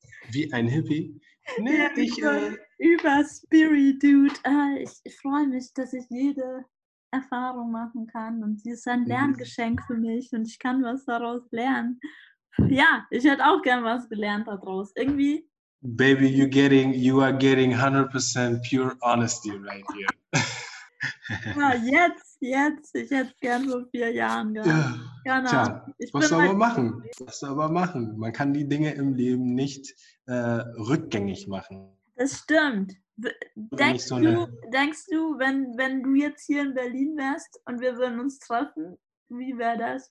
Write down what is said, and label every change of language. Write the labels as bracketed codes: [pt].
[de] Wie ein Hippie? Nee, ja, über Spirit, Dude. Ich freue mich, dass ich jede Erfahrung machen kann und sie ist ein Lerngeschenk für mich und ich kann was daraus lernen. Ja, ich hätte auch gern was gelernt daraus. Irgendwie. [en] Baby, you are getting 100% pure honesty right here. [de] Ja, jetzt. Ich hätte es gern vor 4 Jahren gehabt. Ja. Tja, was soll man machen? Man kann die Dinge im Leben nicht rückgängig machen. Das stimmt. Denkst du, wenn du jetzt hier in Berlin wärst und wir würden uns treffen, wie wäre das?